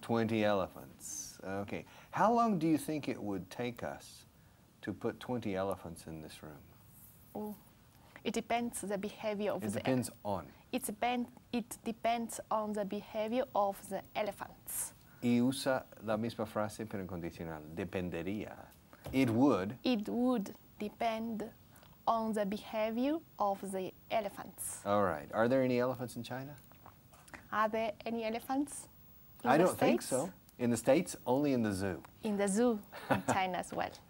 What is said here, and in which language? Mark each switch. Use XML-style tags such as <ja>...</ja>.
<en>20 elephants. Okay. How long do you think it would take us to put 20 elephants in this room? Oh, it depends on the behavior of the... It depends on. It depends on the behavior of the elephants.</en> <es>Y usa la misma frase, pero en condicional. Dependería.</es> <en>It would... It would depend on the behavior of the elephants. All right. Are there any elephants in China? Are there any elephants in the States? I don't think so. In the States, only in the zoo. In the zoo, in China as well.</en>